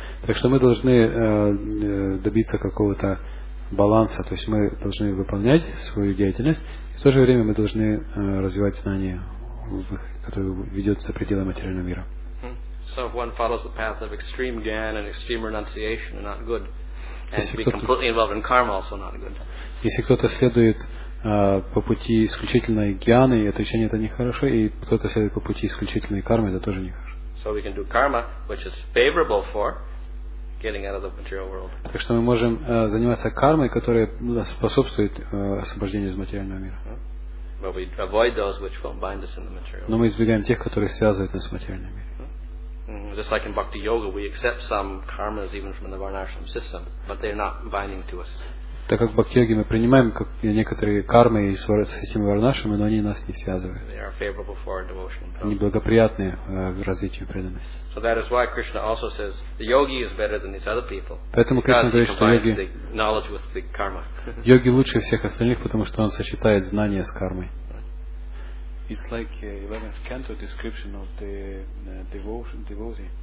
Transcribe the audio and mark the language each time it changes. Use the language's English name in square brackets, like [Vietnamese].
[Russian] Так что мы должны добиться какого-то баланса, то есть мы должны выполнять свою деятельность, и в то же время мы должны развивать знания, которые ведут за пределы материального мира. [English] So if one follows the path of extreme gyan and extreme renunciation, not good. And be completely involved in karma, also not good. [Russian] Если кто-то следует по пути исключительной гьяны, и отречение — это нехорошо, и кто-то следует по пути исключительной кармы — это тоже нехорошо. Так что мы можем заниматься кармой, которая способствует освобождению из материального мира. Но мы избегаем тех, которые связывают нас с материальным миром. [English] Just like in Bhakti Yoga, we accept some karmas even from the Varnashram system, but they're not binding to us. [Russian] Так как в Бхакти-йоге мы принимаем некоторые кармы из системы Варнашрамы, но они нас не связывают. [English] They are favorable for our devotion. [Russian] Они благоприятны развитию преданности. [English] So that is why Krishna also says the yogi is better than these other people. [Russian] Поэтому Кришна говорит, что йоги, [English] the knowledge with the karma. [Russian] Йоги лучше всех остальных, потому что он сочетает знания с кармой. [English] It's like the 11th canto description of the devotee.